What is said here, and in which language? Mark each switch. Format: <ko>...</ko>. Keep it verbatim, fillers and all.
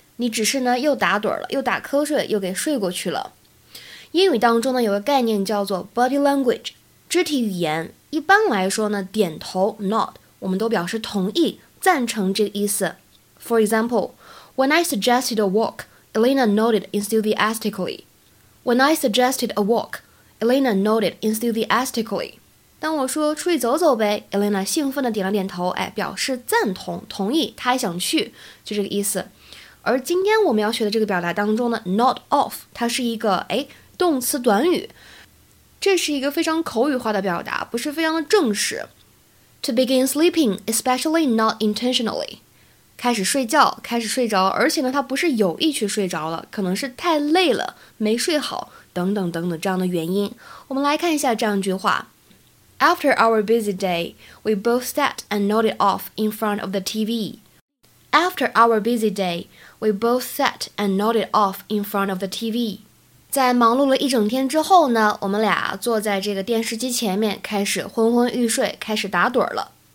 <zh>你只是呢又打盹了，又打瞌睡，又给睡过去了。英语当中呢有个概念叫做 body language， 肢体语言。一般来说呢，点头 nod 我们都表示同意、赞成这个意思。</zh> <en>For example, when I suggested a walk, Elena nodded enthusiastically. When I suggested a walk, Elena nodded enthusiastically.</en> <zh>当我说出去走走呗 ，Elena 兴奋地点了点头，哎，表示赞同、同意，她也想去，就这个意思。而今天我们要学的这个表达当中呢 ，nod off 它是一个哎。动词短语，这是一个非常口语化的表达，不是非常的正式。</zh> <en>To begin sleeping, especially not intentionally.</en> <zh>开始睡觉，开始睡着，而且呢，他不是有意去睡着了，可能是太累了，没睡好，等等等等这样的原因。我们来看一下这样一句话</zh> <en>：After our busy day, we both sat and nodded off in front of the T V. After our busy day, we both sat and nodded off in front of the T V.</en> <zh>在忙碌了一整天之后呢，我们俩坐在这个电视机前面，开始昏昏欲睡，开始打盹了。</zh>